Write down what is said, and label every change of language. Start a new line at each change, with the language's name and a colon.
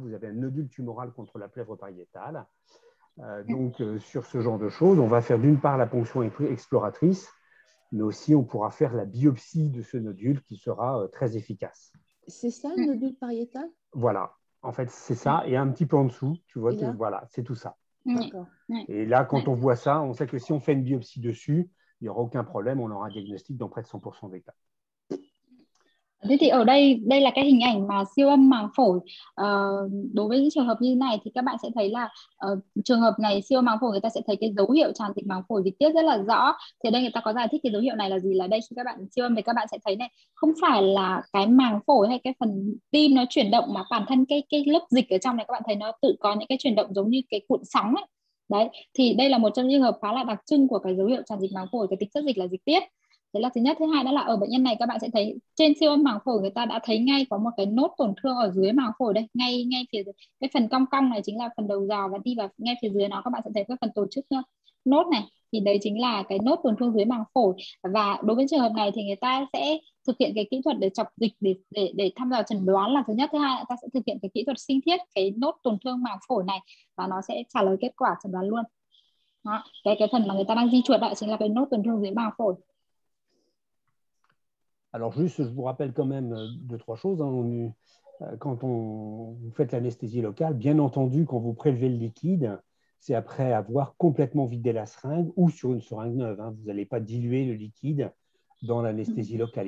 French: Vous avez un nodule tumoral contre la plèvre pariétale. Sur ce genre de choses, on va faire d'une part la ponction exploratrice, mais aussi on pourra faire la biopsie de ce nodule qui sera très efficace. C'est ça le nodule pariétal? Voilà, en fait, c'est ça. Et un petit peu en dessous, tu vois, voilà, c'est tout ça. D'accord. Et là, quand on voit ça, on sait que si on fait une biopsie dessus, il n'y aura aucun problème, on aura un diagnostic dans près de 100% des cas.
Vietnamese: Thế thì ở đây, đây là cái hình ảnh mà siêu âm màng phổi. Đối với những trường hợp như thế này thì các bạn sẽ thấy là trường hợp này siêu âm màng phổi, người ta sẽ thấy cái dấu hiệu tràn dịch màng phổi dịch tiết rất là rõ. Thì đây người ta có giải thích cái dấu hiệu này là gì, là đây khi các bạn siêu âm thì các bạn sẽ thấy này, không phải là cái màng phổi hay cái phần tim nó chuyển động mà bản thân cái lớp dịch ở trong này các bạn thấy nó tự có những cái chuyển động giống như cái cuộn sóng ấy. Đấy, thì đây là một trong những trường hợp khá là đặc trưng của cái dấu hiệu tràn dịch màng phổi, cái tính chất dịch là dịch tiết. Đấy là thứ nhất. Thứ hai đó là ở bệnh nhân này các bạn sẽ thấy trên siêu âm màng phổi người ta đã thấy ngay có một cái nốt tổn thương ở dưới màng phổi đây, ngay phía dưới. Cái phần cong cong này chính là phần đầu dò và đi vào ngay phía dưới nó các bạn sẽ thấy cái phần tổ chức nốt này, thì đấy chính là cái nốt tổn thương dưới màng phổi. Và đối với trường hợp này thì người ta sẽ thực hiện cái kỹ thuật để chọc dịch để thăm dò chẩn đoán là thứ nhất. Thứ hai là ta sẽ thực hiện cái kỹ thuật sinh thiết cái nốt tổn thương màng phổi này và nó sẽ trả lời kết quả chẩn đoán luôn. Đó. Cái phần mà người ta đang di chuột đó chính là cái nốt tổn thương dưới màng phổi.
French: Alors juste, je vous rappelle quand même deux, trois choses. Quand vous faites l'anesthésie locale, bien entendu, quand vous prélevez le liquide, c'est après avoir complètement vidé la seringue ou sur une seringue neuve. Vous n'allez pas diluer le liquide dans l'anesthésie locale.